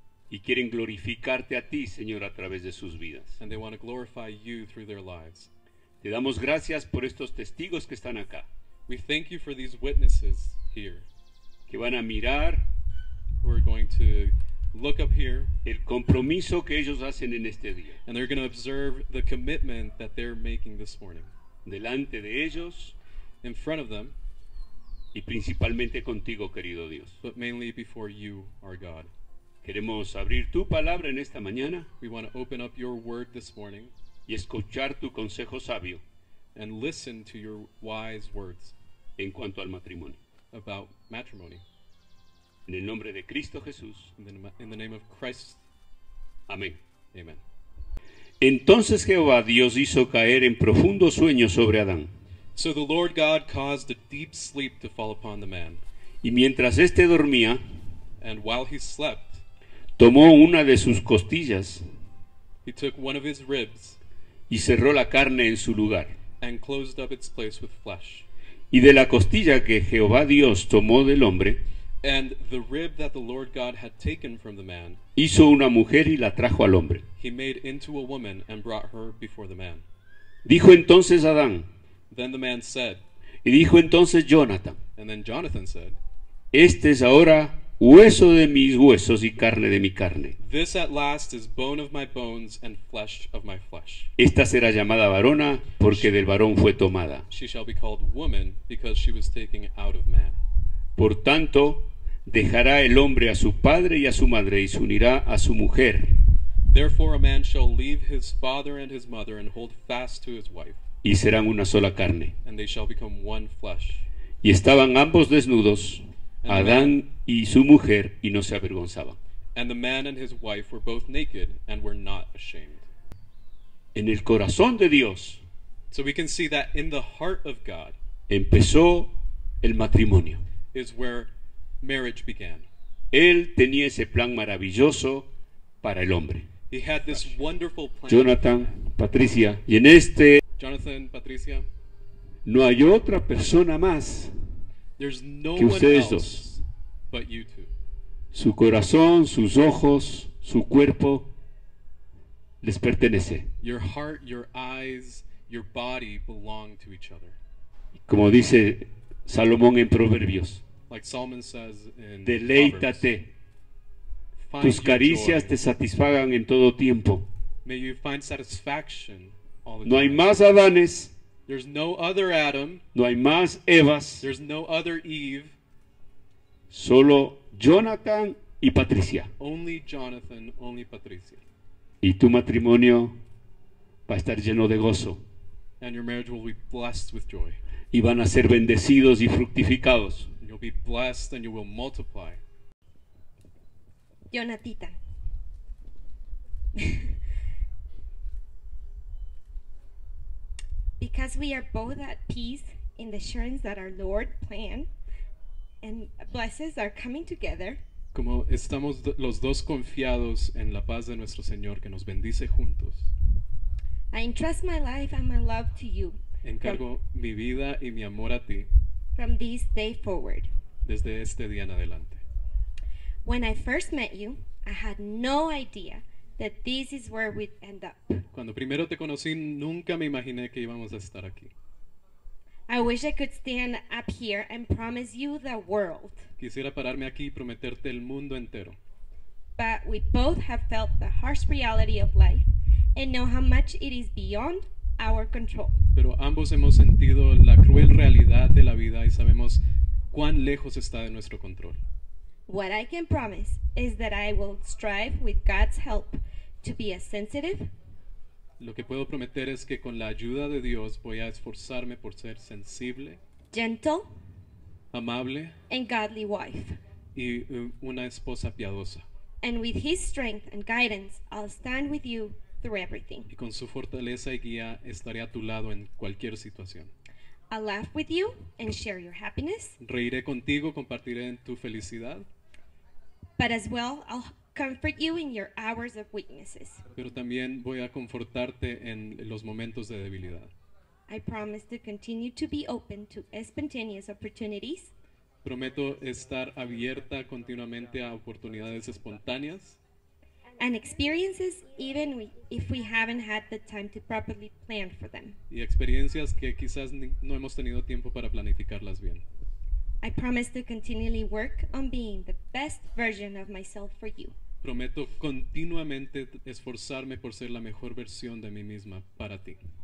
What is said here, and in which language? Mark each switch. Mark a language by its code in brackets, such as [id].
[es] Y quieren glorificarte a ti, Señor, a través de sus vidas. [en] And they want to glorify you through their lives. [es] Te damos gracias por estos testigos que están acá. [en] We thank you for these witnesses here. [es] Que van a mirar. [en] Who are going to look up here. [es] El compromiso que ellos hacen en este día. [en] And they're going to observe the commitment that they're making this morning. [es] Delante de ellos. [en] In front of them. [es] Y principalmente contigo, querido Dios. [en] But mainly before you, our God. [es] Queremos abrir tu palabra en esta mañana. [en] We want to open up your word this morning. [es] Y escuchar tu consejo sabio. [en] And listen to your wise words. [es] En cuanto al matrimonio. [en] About matrimony. [es] En el nombre de Cristo Jesús. [en] In the name of Christ. [es] Amén. [en] Amen. [es] Entonces Jehová Dios hizo caer en profundo sueño sobre Adán. [en] So the Lord God caused a deep sleep to fall upon the man. [es] Y mientras este dormía. [en] And while he slept. [es] Tomó una de sus costillas. [en] He took one of his ribs. [es] Y cerró la carne en su lugar. [en] And closed up its place with flesh. [es] Y de la costilla que Jehová Dios tomó del hombre. [en] And the rib that the Lord God had taken from the man. [es] Hizo una mujer y la trajo al hombre. [en] He made into a woman and brought her before the man. [es] Dijo entonces Adán. [en] Then the man said. [es] Y dijo entonces Jonathan. [en] And then Jonathan said. [es] Este es ahora hueso de mis huesos y carne de mi carne. [en] This at last is bone of my bones and flesh of my flesh. [es] Esta será llamada varona porque del varón fue tomada. [en] She shall be called woman because she was taken out of man. [es] Por tanto, dejará el hombre a su padre y a su madre y se unirá a su mujer. [en] Therefore a man shall leave his father and his mother and hold fast to his wife. [es] Y serán una sola carne. [en] And they shall become one flesh. [es] Y estaban ambos desnudos. Adán y su mujer y no se avergonzaban. [en] And the man and his wife were both naked and were not ashamed. [es] En el corazón de Dios. [en] So we can see that in the heart of God. [es] Empezó el matrimonio. [en] Is where marriage began. [es] Él tenía ese plan maravilloso para el hombre. [en] He had this wonderful plan. [es] Jonathan, Patricia, y en este. [en] Jonathan, Patricia. [es] No hay otra persona más. [en] There's no [es] que ustedes [en] one else [es] dos. [en] But you two. [es] Su corazón, sus ojos, su cuerpo les pertenece. [en] Your heart, your eyes, your body belong to each other. [es] Como dice Salomón en Proverbios. [en] Like Solomon says in [es] deleítate. [en] Proverbs. [es] Tus caricias te satisfagan en todo tiempo. [en] May you find satisfaction all the [es] no hay más Adanes. [en] There's no other Adam. [es] No hay más Evas. [en] There's no other Eve. [es] Solo Jonathan y Patricia. [en] Only Jonathan, only Patricia. [es] Y tu matrimonio va a estar lleno de gozo. [en] And your marriage will be blessed with joy. [es] Y van a ser bendecidos y fructificados. [en] And you'll be blessed and you will multiply. [es] Jonathita. [en] Because we are both at peace in the assurance that our Lord plan and blesses our coming together. [es] Como estamos los dos confiados en la paz de nuestro Señor que nos bendice juntos. [en] I entrust my life and my love to you. [es] Encargo mi vida y mi amor a ti. [en] From this day forward. [es] Desde este día en adelante. [en] When I first met you, I had no idea that this is where we'd end up. [es] Cuando primero te conocí, nunca me imaginé que íbamos a estar aquí. [en] I wish I could stand up here and promise you the world. [es] Quisiera pararme aquí y prometerte el mundo entero. [en] But we both have felt the harsh reality of life and know how much it is beyond our control. [es] Pero ambos hemos sentido la cruel realidad de la vida y sabemos cuán lejos está de nuestro control. [en] What I can promise is that I will strive with God's help to be as sensitive. [es] Lo que puedo prometer es que con la ayuda de Dios voy a esforzarme por ser sensible, [en] gentle, [es] amable, [en] and godly wife, [es] y una esposa piadosa. [en] And with his strength and guidance, I'll stand with you through everything. [es] Y con su fortaleza y guía estaré a tu lado en cualquier situación. [en] I'll laugh with you and share your happiness. [es] Reiré contigo, compartiré en tu felicidad. [en] But as well, I'll comfort you in your hours of weaknesses. [es] Pero también voy a confortarte en los momentos de debilidad. [en] I promise to continue to be open to spontaneous opportunities. [es] Prometo estar abierta continuamente a oportunidades espontáneas. [en] And experiences even if we haven't had the time to properly plan for them. [es] Y experiencias que quizás no hemos tenido tiempo para planificarlas bien. [en] I promise to continually work on being the best version of myself for you. [es] Prometo continuamente esforzarme por ser la mejor versión de mí misma para ti.